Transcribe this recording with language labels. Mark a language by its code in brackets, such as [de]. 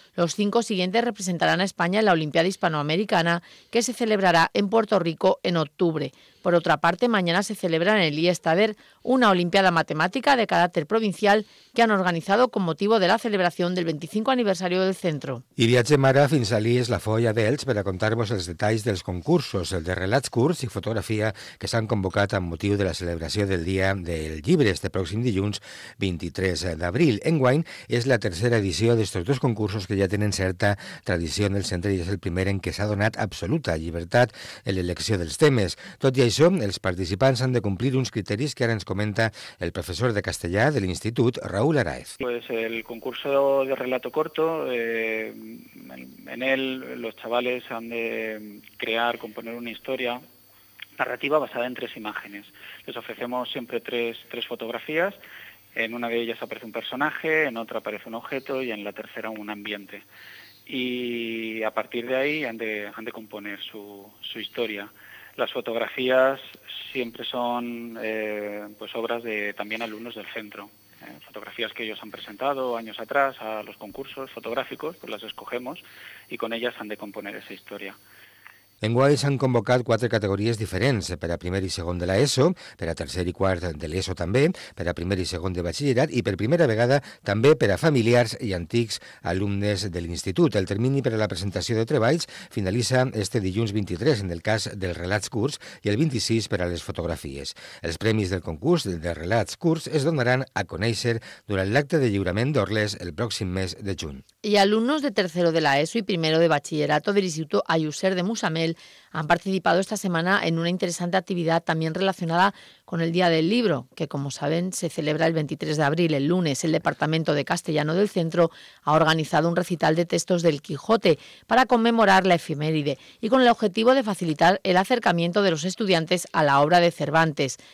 [es] Los cinco siguientes representarán a España en la Olimpiada Hispanoamericana, que se celebrará en Puerto Rico en octubre. Por otra parte, mañana se celebra en el IESTADER una Olimpiada Matemática de carácter provincial que han organizado con motivo de la celebración del 25 aniversario del centro. [ca] I viatgem ara fins a l'IES La Foia d'Elx per a contar-vos els detalls dels concursos, el de relats curts i fotografia que s'han convocat amb motiu de la celebració del Dia del Llibre este pròxim dilluns 23 d'abril. Enguany és la tercera edició d'estos dos concursos que ja tenen certa tradició en el centre i és el primer en què s'ha donat absoluta llibertat en l'elecció dels temes. Tot i això, els participants han de complir uns criteris que ara ens comenta el professor de castellà de l'Institut, Raúl Araez. [es] Pues el concurso de relato corto, en él los chavales han de crear, componer una historia narrativa basada en tres imágenes. Les ofrecemos siempre tres fotografías. En una de ellas aparece un personaje, en otra aparece un objeto y en la tercera un ambiente. Y a partir de ahí han de componer su historia. Las fotografías siempre son pues obras de también alumnos del centro. Fotografías que ellos han presentado años atrás a los concursos fotográficos, pues las escogemos y con ellas han de componer esa historia. [ca] Enguany s'han convocat quatre categories diferents, per a primer i segon de l'ESO, per a tercer i quart de l'ESO també, per a primer i segon de batxillerat i per primera vegada també per a familiars i antics alumnes de l'institut. El termini per a la presentació de treballs finalitza este dilluns 23 en el cas dels relats curts i el 26 per a les fotografies. Els premis del concurs de relats curts es donaran a conèixer durant l'acte de lliurament d'Orles el pròxim mes de juny. I alumnes [es] de tercero de l'ESO i primero de batxillerato de l'Institut Ayuser de Musa han participado esta semana en una interesante actividad también relacionada con el Día del Libro, que como saben se celebra el 23 de abril, el lunes. El Departamento de Castellano del Centro ha organizado un recital de textos del Quijote para conmemorar la efeméride y con el objetivo de facilitar el acercamiento de los estudiantes a la obra de Cervantes.